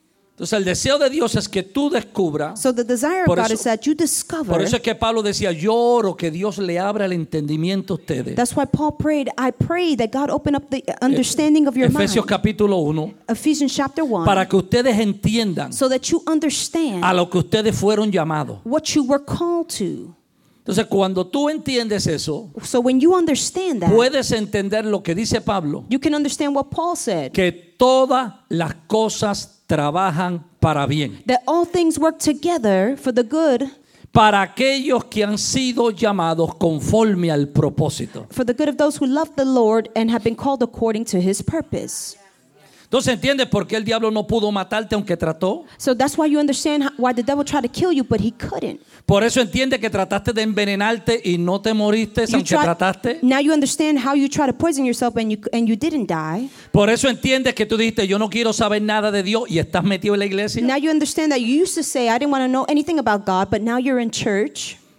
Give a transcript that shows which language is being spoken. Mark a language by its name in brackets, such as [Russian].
[Spanish] Entonces el deseo de Dios es que tú descubras. [English] So the desire of God is that you discover. [Spanish] Por eso es que Pablo decía, yo oro que Dios le abra el entendimiento a ustedes. [English] That's why Paul prayed, I pray that God open up the understanding of your mind. [Spanish] Efesios capítulo 1. [English] Ephesians chapter 1. [Spanish] Para que ustedes entiendan. [English] So that you understand. [Spanish] A lo que ustedes fueron llamados. [English] What you were called to. [Spanish] Entonces cuando tú entiendes eso, [English] so when you understand that, [Spanish] puedes entender lo que dice Pablo. [English] You can understand what Paul said. [Spanish] Que todas las cosas trabajan para bien. [English] That all things work together for the good. [Spanish] Para aquellos que han sido llamados conforme al propósito. [English] For the good of those who love the Lord and have been called according to His purpose. [Spanish] Entonces entiendes por qué el diablo no pudo matarte aunque trató. [English] So that's why you understand why the devil tried to kill you, but he couldn't. [Spanish] Por eso entiende que trataste de envenenarte y no te moriste aunque trataste. [English] Now you understand how you tried to poison yourself and you didn't die. [Spanish] Por eso entiende que tú dijiste yo no quiero saber nada de Dios y estás metido en la iglesia. [English] Now you understand that you used to say I didn't want to know anything about God, but now you're in church.